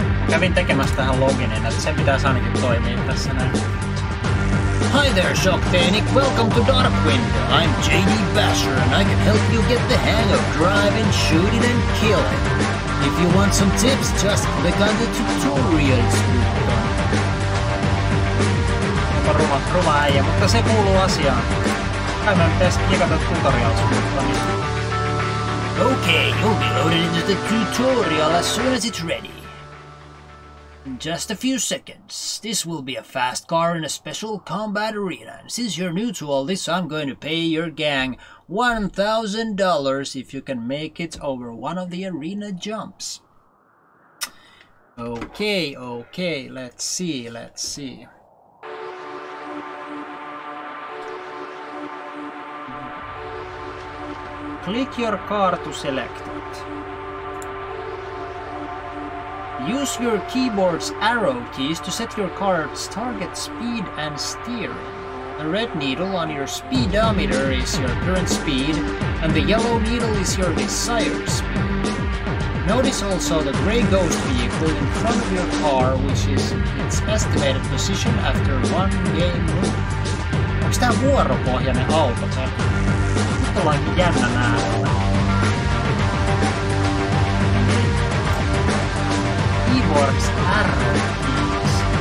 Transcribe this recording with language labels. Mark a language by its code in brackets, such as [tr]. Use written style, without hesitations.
[fi] Kävin tekemässä tähän loginin, että sen pitää ainakin toimia tässä näin. [en] Hi there, Shocktainic. Welcome to Darkwind. I'm J.D. Basher, and I can help you get the hang of driving, shooting, and killing. If you want some tips, just click on the tutorials. [fi] Onpa ruma äijä, mutta se kuuluu asiaan. Käymme nyt edes kikata tutorials. [en] Okay, you'll be loaded into the tutorial as soon as it's ready. In just a few seconds, this will be a fast car in a special combat arena, and since you're new to all this, I'm going to pay your gang $1,000 if you can make it over one of the arena jumps. Okay, let's see. Click your car to select it. Use your keyboard's arrow keys to set your car's target speed and steering. The red needle on your speedometer is your current speed, and the yellow needle is your desired speed. Notice also the gray ghost vehicle in front of your car, which is its estimated position after one game loop. [fi] Onks tää vuoropohjainen auto? Nyt ollaankin jännä näällä. [en] Keyboards arrow keys.